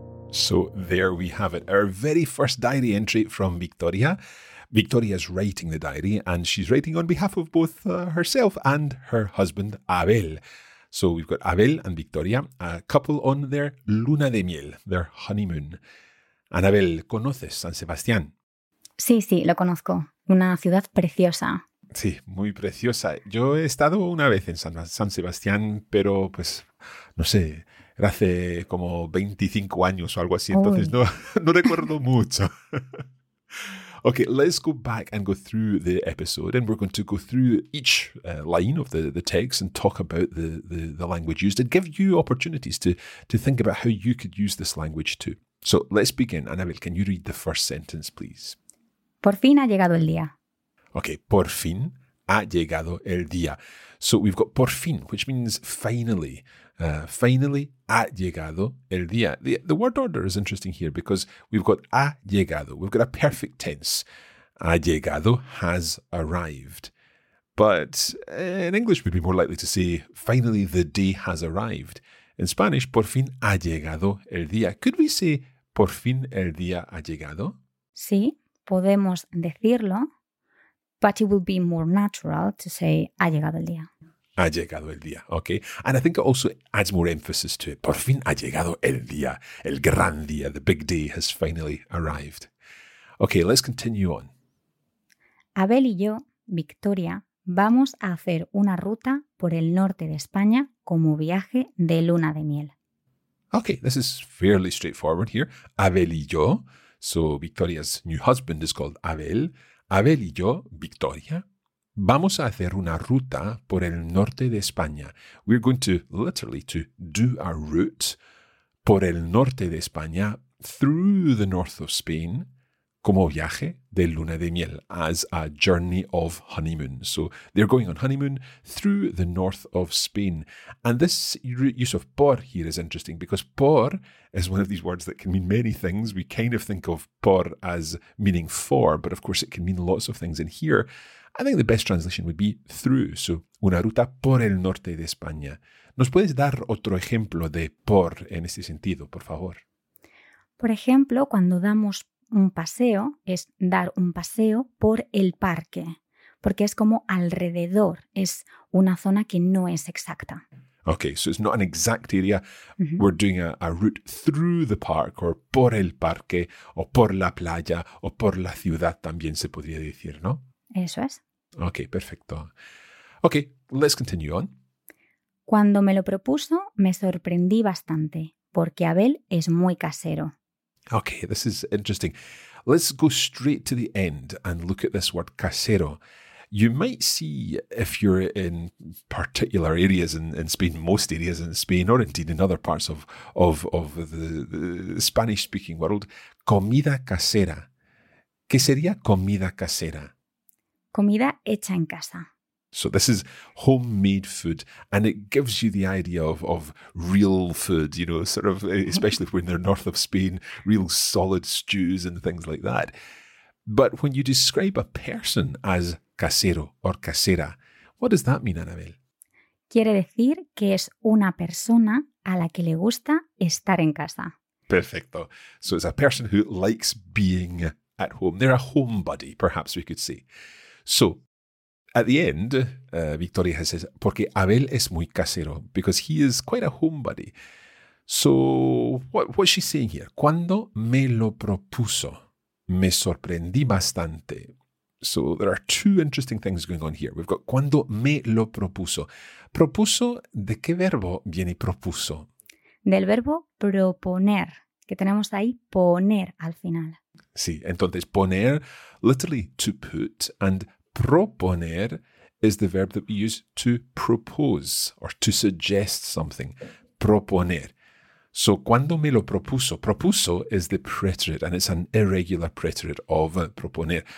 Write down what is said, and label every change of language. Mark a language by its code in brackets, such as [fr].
[en] So there we have it, our very first diary entry from Victoria. Victoria is writing the diary and she's writing on behalf of both herself and her husband, Abel. So we've got Abel and Victoria, a couple on their [es] luna de miel, [en] their honeymoon. [es] And Abel, ¿conoces San Sebastián? Sí, sí, lo conozco. Una ciudad preciosa. Sí, muy preciosa. Yo he estado una vez en San Sebastián, pero pues, no sé, era hace como 25 años o algo así, entonces no recuerdo mucho. [en] Okay, let's go back and go through the episode, and we're going to go through each line of the text and talk about the language used and give you opportunities to think about how you could use this language too. So let's begin. Anabel, can you read the first sentence, please? [es] Por fin ha llegado el día. Okay, por fin ha llegado el día. [en] So we've got [es] por fin, [en] which means finally. Finally, [es] ha llegado el día. [en] The word order is interesting here because we've got [es] ha llegado. [en] We've got a perfect tense. [es] Ha llegado [en] has arrived. But in English, we'd be more likely to say, finally, the day has arrived. In Spanish, [es] por fin ha llegado el día. [en] Could we say, [es] por fin el día ha llegado? Sí. Podemos decirlo, [en] but it will be more natural to say, [es] ha llegado el día. Ha llegado el día, okay. [en] And I think it also adds more emphasis to it. [es] Por fin ha llegado el día, el gran día, [en] the big day has finally arrived. Okay, let's continue on. [es] Abel y yo, Victoria, vamos a hacer una ruta por el norte de España como viaje de luna de miel. [en] Okay, this is fairly straightforward here. [es] Abel y yo... [en] So Victoria's new husband is called Abel. [es] Abel y yo, Victoria, vamos a hacer una ruta por el norte de España. [en] We're going to literally to do a route [es] por el norte de España, [en] through the north of Spain, [es] como viaje de luna de miel, [en] as a journey of honeymoon. So they're going on honeymoon through the north of Spain. And this use of por here is interesting because por is one of these words that can mean many things. We kind of think of por as meaning for, but of course it can mean lots of things. And here, I think the best translation would be through. So una ruta por el norte de España. ¿Nos puedes dar otro ejemplo de por en este sentido, por favor? [es] Por ejemplo, cuando damos un paseo es dar un paseo por el parque, porque es como alrededor, es una zona que no es exacta. [en] Okay, so it's not an exact area. Mm-hmm. We're doing a route through the park, or [es] por el parque, o por la playa, o por la ciudad también se podría decir, ¿no? Eso es. [en] Okay, perfecto. Okay, let's continue on. [es] Cuando me lo propuso, me sorprendí bastante, porque Abel es muy casero. [en] Okay, this is interesting. Let's go straight to the end and look at this word casero. You might see, if you're in particular areas in Spain, most areas in Spain, or indeed in other parts of the Spanish-speaking world, [es] comida casera. ¿Qué sería comida casera? Comida hecha en casa. [en] So this is homemade food, and it gives you the idea of real food, you know, sort of, especially if we're in the north of Spain, real solid stews and things like that. But when you describe a person as [es] casero or casera, [en] what does that mean, Anabel? [es] Quiere decir que es una persona a la que le gusta estar en casa. Perfecto. [en] So it's a person who likes being at home. They're a homebody, perhaps we could say. So at the end, Victoria has said, [es] porque Abel es muy casero, [en] because he is quite a homebody. So, what she's saying here? [es] Cuando me lo propuso, me sorprendí bastante. [en] So, there are two interesting things going on here. We've got [es] cuando me lo propuso. Propuso, ¿de qué verbo viene propuso? Del verbo proponer, que tenemos ahí poner al final. Sí, entonces poner, [en] literally to put, and proponer is the verb that we use to propose or to suggest something. Proponer. So, [es] cuando me lo propuso, [en] propuso is the preterite, and it's an irregular preterite of proponer.